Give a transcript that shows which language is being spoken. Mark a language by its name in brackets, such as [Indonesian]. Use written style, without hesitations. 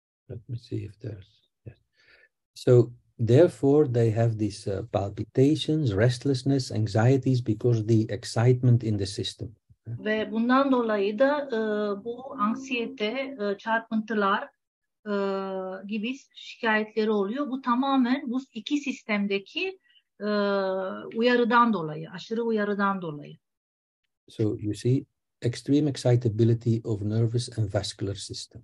[English] Let me see if there's So therefore they have these palpitations, restlessness, anxieties because the excitement in the system. [Turkish] Ve bundan dolayı da bu anksiyete, çarpıntılar gibi şikayetleri oluyor. Bu tamamen bu iki sistemdeki uyarıdan dolayı, aşırı uyarıdan dolayı. [English] So you see extreme excitability of nervous and vascular system.